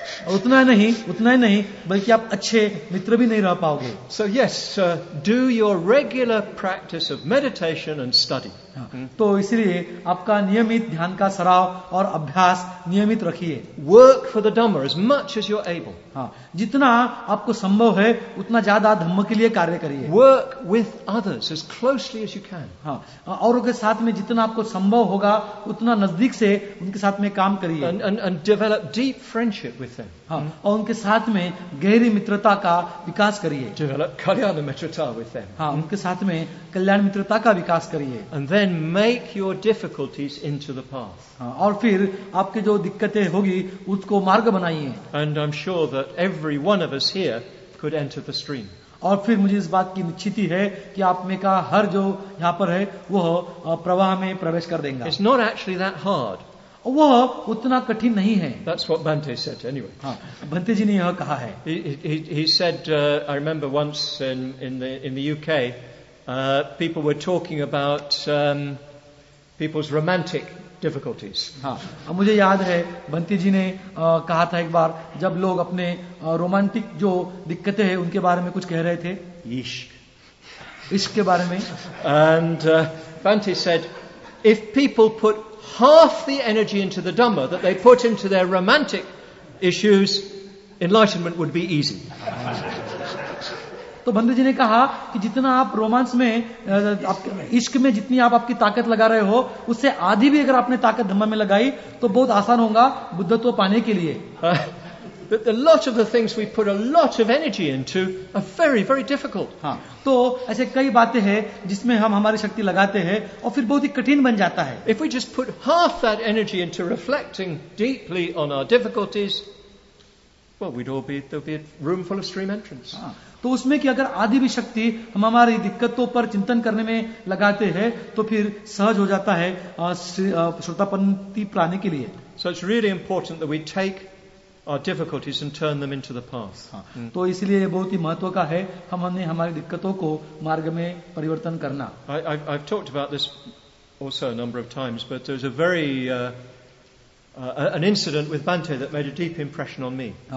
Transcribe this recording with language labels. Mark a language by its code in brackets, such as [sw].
[hi] उतना ही नहीं बल्कि आप अच्छे मित्र भी नहीं रह पाओगे. [en] So yes, do your regular practice of meditation and study. [hi] तो इसलिए आपका नियमित ध्यान का सराव और अभ्यास नियमित रखिए. [en] Work for the Dhamma as much as you're able. [hi] जितना आपको संभव है उतना ज्यादा धम्म के लिए कार्य करिए. [en] Work with others as closely as you can. [hi] औरों के साथ में जितना आपको संभव होगा उतना नजदीक से उनके साथ में काम करिए. [en] And develop deep friendship with them. [hi] और उनके साथ में गहरी मित्रता का विकास करिए. [en] Develop kalyan mitrata with them. [hi] उनके साथ में कल्याण मित्रता का विकास करिए. [en] Then make your difficulties into the path. [hi] और फिर आपके जो दिक्कतें होगी उसको मार्ग बनाइए. [en] And I'm sure that every one of us here could enter the stream. [hi] और फिर मुझे इस बात की निश्चिति है कि आप में का हर जो यहाँ पर है वह प्रवाह में प्रवेश कर देगा. [en] It's not actually that hard. [hi] वह उतना कठिन नहीं है. [en] That's what Bhante said anyway. [hi] Bhante जी ने यह कहा है. [en] He said, I remember once in the UK. People were talking about people's romantic difficulties. [hi] हाँ, मुझे याद है बंती जी ने कहा था एक बार जब लोग अपने रोमांटिक जो दिक्कतें हैं उनके बारे में कुछ कह रहे थे. इश्क के बारे में. [en] And Bhante said, if people put half the energy into the Dhamma that they put into their romantic issues, enlightenment would be easy. [hi] तो बंधु जी ने कहा कि जितना आप रोमांस में इश्क में जितनी आप आपकी ताकत लगा रहे हो उससे आधी भी अगर आपने ताकत धम्म में लगाई तो बहुत आसान होगा बुद्धत्व पाने के लिए. [en] Lot of the things we put a lot of energy into are very, very difficult. [hi] तो ऐसे कई बातें हैं जिसमें हम हमारी शक्ति लगाते हैं और फिर बहुत ही कठिन बन जाता है. [en] If we just put half that energy into reflecting deeply on our difficulties, well, there'd be a room full of stream entrants. [hi] तो उसमें कि अगर आधी भी शक्ति हम हमारी दिक्कतों पर चिंतन करने में लगाते हैं तो फिर सहज हो जाता है श्रोतापन्ति प्राणि के लिए. [en] So it's really important that we take our difficulties and turn them into the path. [hi] तो इसलिए बहुत ही महत्व का है हमने हमारी दिक्कतों को मार्ग में परिवर्तन करना. [en] I've talked about this also a number of times, but there's a very an incident with Bhante that made a deep impression on me.